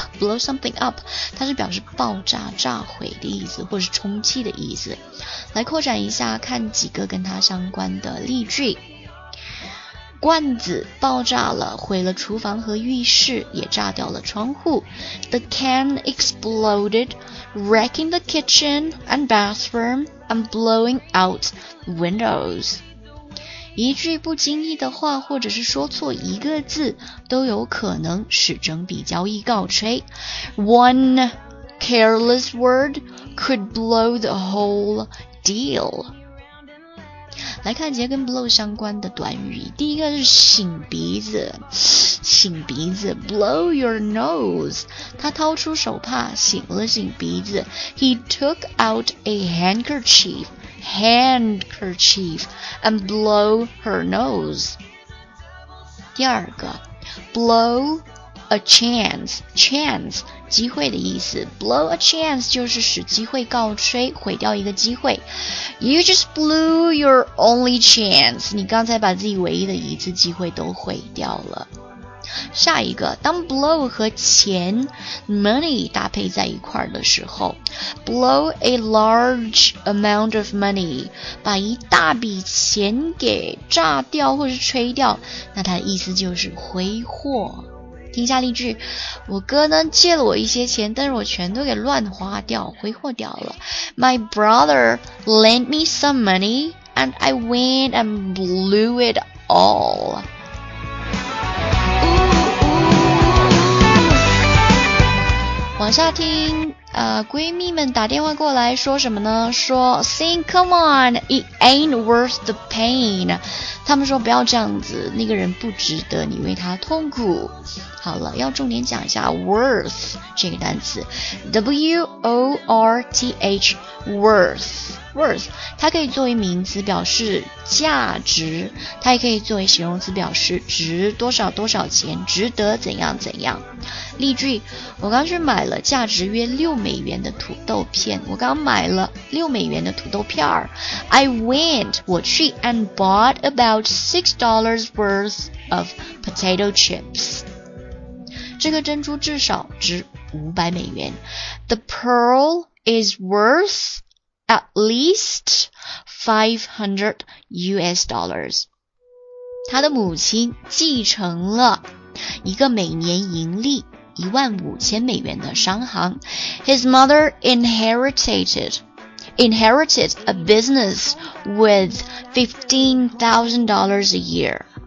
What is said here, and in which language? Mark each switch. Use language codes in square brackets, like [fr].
[zh] blow something up， 它是表示爆炸、炸毁的意思，或是冲击的意思。来扩展一下，看几个跟它相关的例句。罐子爆炸了，毁了厨房和浴室，也炸掉了窗户。 [en] The can exploded, wrecking the kitchen and bathroom and blowing out windows. [zh] 一句不经意的话，或者是说错一个字，都有可能使整笔交易告吹。 [en] One careless word could blow the whole deal. [zh] 来看几个跟 blow 相关的短语。第一个是擤鼻子，擤鼻子 [en] blow your nose。 [zh] 他掏出手帕擤了擤鼻子。 [en] He took out a handkerchief and blow her nose。 [zh] 第二个 blow a chance 机会的意思。 blow a chance 就是使机会告吹，毁掉一个机会。 [en] You just blew your only chance. [zh] 你刚才把自己唯一的一次机会都毁掉了。下一个，当 blow 和钱 money 搭配在一块的时候， [en] blow a large amount of money， [zh] 把一大笔钱给炸掉或是吹掉，那它的意思就是挥霍。听下例句，我哥呢借了我一些钱，但是我全都给乱花掉，挥霍掉了。 [en] My brother lent me some money, and I went and blew it all. [zh] 往下听，闺蜜们打电话过来说什么呢？ [en] 说 ，Sing, come on, it ain't worth the pain. [zh] 他们说不要这样子，那个人不值得你为他痛苦。好了，要重点讲一下 worth 这个单词 ，W-O-R-T-H worth， 它可以作为名词表示价值，它也可以作为形容词表示值多少多少钱，值得怎样怎样。例句，我刚去买了价值约6美元的土豆片，我刚买了6美元的土豆片儿。 [en] I went, [zh] 我去 [en] and bought about $6 worth of potato chips. [zh] 这个珍珠至少值500美元。 [en] The pearl is worth at least $500. [zh] 他的母亲继承了一个每年盈利15000美元的商行。 [en] His mother inherited a business with $15,000 a year.